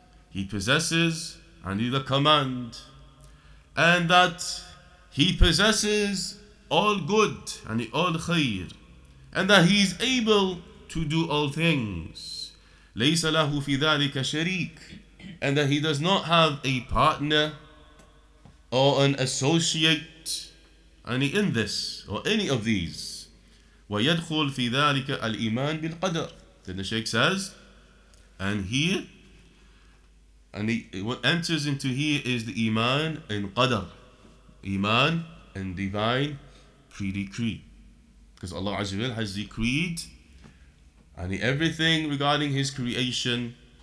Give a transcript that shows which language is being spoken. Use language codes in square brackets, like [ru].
[en] He possesses the command, and that he possesses all good and all khair, and that he is able to do all things. [ar] ليس له في ذلك شريك, [en] and that he does not have a partner or an associate in this or any of these. [ar] ويدخل في ذلك الإيمان بالقدر. [en] Then the Sheikh says, and here, and what enters into here is the Iman in Qadr, Iman in divine pre-decree. Because Allah Azza wa Jalla has decreed everything regarding His creation.